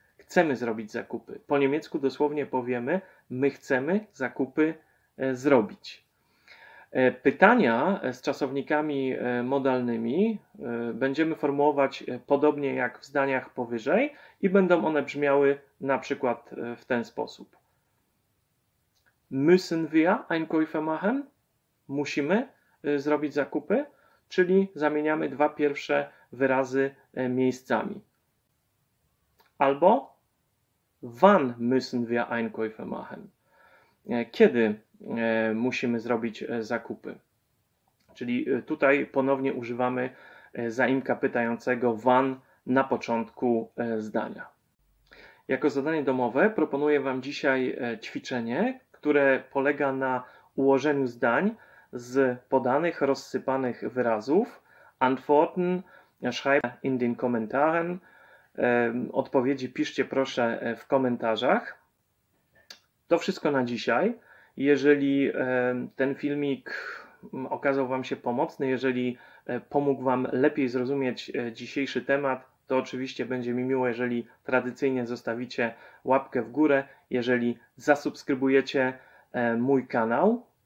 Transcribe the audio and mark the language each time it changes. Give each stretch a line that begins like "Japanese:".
Polish: Chcemy zrobić zakupy. Po niemiecku dosłownie powiemy my chcemy zakupy zrobić. Pytania z czasownikami modalnymi będziemy formułować podobnie jak w zdaniach powyżej i będą one brzmiały na przykład w ten sposób.
German: Müssen wir Einkäufe machen?
Polish: Musimy zrobić zakupy? Czyli zamieniamy dwa pierwsze wyrazy miejscami. Albo
German: Wann müssen wir Einkäufe machen?
Polish: Kiedy musimy zrobić zakupy? Czyli tutaj ponownie używamy zaimka pytającego Wann na początku zdania. Jako zadanie domowe proponuję Wam dzisiaj ćwiczenie, które polega na ułożeniu zdań z podanych, rozsypanych wyrazów.
German: Antworten schreibt in den Kommentaren.
Polish: Odpowiedzi piszcie proszę w komentarzach. To wszystko na dzisiaj. Jeżeli ten filmik okazał Wam się pomocny, jeżeli pomógł Wam lepiej zrozumieć dzisiejszy temat, to oczywiście będzie mi miło, jeżeli tradycyjnie zostawicie łapkę w górę, jeżeli zasubskrybujecie mój kanał.